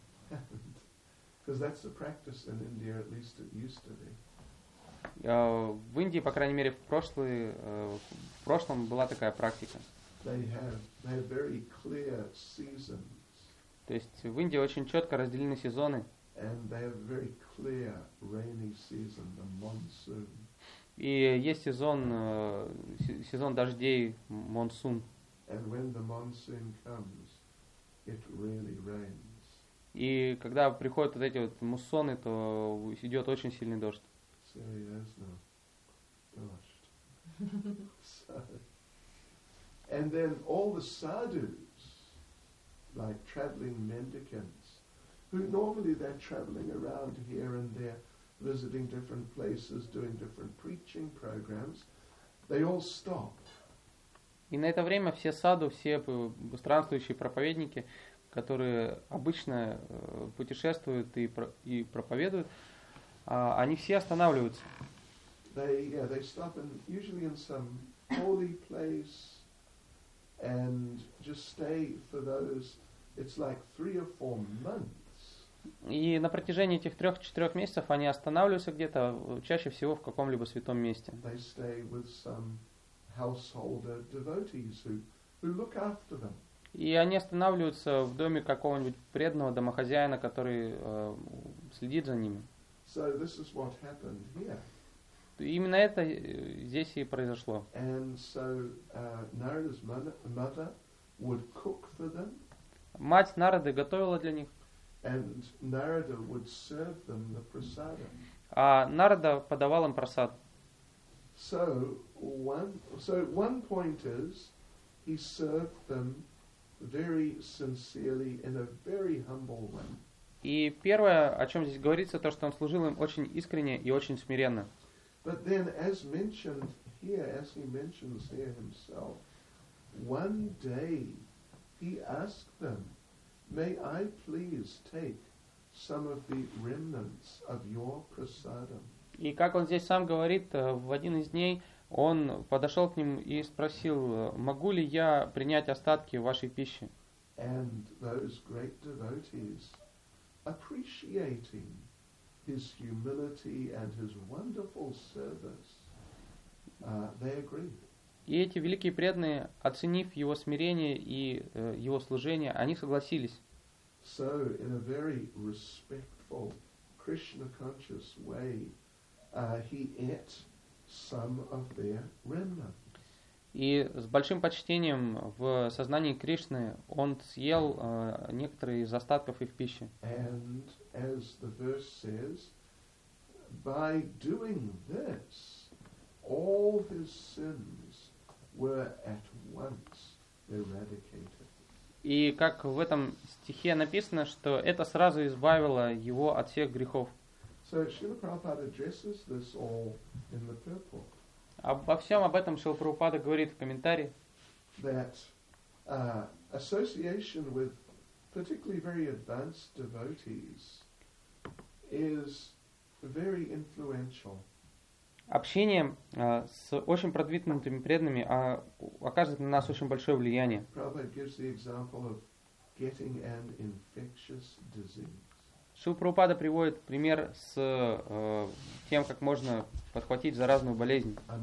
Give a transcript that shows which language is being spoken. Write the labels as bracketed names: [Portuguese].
[English] Because that's the practice in India, at least it used to be. [Russian] В Индии, по крайней мере, в прошлом была такая практика. [English] They have very clear seasons. [Russian] То есть в Индии очень четко разделены сезоны. [English] And they have very clear rainy season, the monsoon. [Russian] И есть сезон дождей, монсун. [English] And when the monsoon comes, it really rains. [Russian] И когда приходят вот эти вот муссоны, то идет очень сильный дождь. Серьезно? Дождь. [English] So, and then all the sadhus, like traveling mendicants, who normally they're traveling around here and there, visiting different places, doing different preaching programs, they all stop. [Russian] И на это время все саду, все странствующие проповедники, которые обычно путешествуют и проповедуют, они все останавливаются. [English] They stop in, usually in some holy place and just stay for those, it's like 3 or 4 months. [Russian] И на протяжении этих 3-4 месяцев они останавливаются где-то, чаще всего в каком-либо святом месте. [English] They stay with some householder devotees who look after them. [Russian] И они останавливаются в доме какого-нибудь преданного домохозяина, который следит за ними. [English] So this is what happened here. [Russian] Именно это здесь и произошло. [English] And so, Narada's mother would cook for them. [Russian] Мать Нарады готовила для них. [English] And Narada would serve them the prasadam. [Russian] А Нарада подавал им просад. [English] So one point is, he served them very sincerely in a very humble way. [Russian] И первое, о чем здесь говорится, то, что он служил им очень искренне и очень смиренно. [English] But then, as mentioned here, as he mentions here himself, one day he asked them, "May I please take some of the remnants of your prasadam?" [Russian] И как он здесь сам говорит, в один из дней он подошел к ним и спросил, могу ли я принять остатки вашей пищи. [English] And those great devotees, appreciating his humility and his wonderful service, they agreed. [Russian] И эти великие преданные, оценив его смирение и его служение, они согласились. [English] So, in a very respectful, Krishna-conscious way, he ate some of their remnants. [Russian] И с большим почтением в сознании Кришны он съел некоторые из остатков их пищи. [English] And as the verse says, by doing this, all his sins were at once eradicated. [Russian] И как в этом стихе написано, что это сразу избавило его от всех грехов. [English] So Srila Prabhupada addresses this all in the purport. [Russian] Обо всем об этом Шрила Прабхупада говорит в комментарии. [English] That association with particularly very advanced devotees is very influential. [Russian] Общение с очень продвинутыми преданными оказывает на нас очень большое влияние. [English] Prabhupada gives the example of getting an infectious disease. [Russian] Шрила Прабхупада приводит пример с тем, как можно подхватить заразную болезнь.